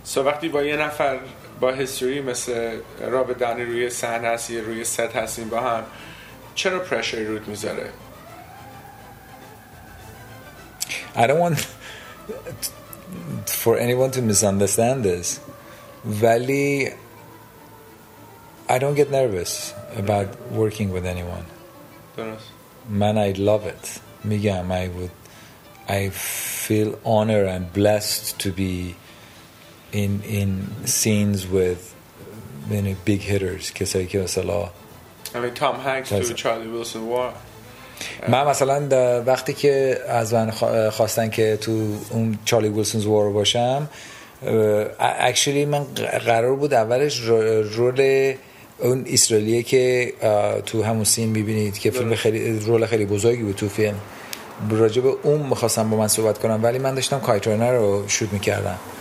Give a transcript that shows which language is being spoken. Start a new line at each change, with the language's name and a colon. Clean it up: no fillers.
Persian: so وقتی با یه نفر با هیستوری مثل رابرت دانی روی صحنه هست یا روی ست هستیم با هم چرا پرشر رود میذاره؟
English: I don't want for anyone to misunderstand this
Persian: ولی
English: I don't get nervous about working with anyone
Persian: درست من
English: I love it
Persian: میگم
English: I feel honored and blessed to be in scenes with
Persian: بین بیگ هیترز، کسایی که مثلا تام هنگز تو چارلی ویلسون وار. من مثلا وقتی که از من خواستن که تو اون چارلی ویلسون وار باشم، اکچولی من قرار بود اولش رول اون اسرائیلیه که تو همون سین میبینید که فیلم خیلی رول خیلی بزرگی بود تو فیلم، راجع به اون میخواستم با من صحبت کنم، ولی من داشتم کایترانر رو شوت میکردم،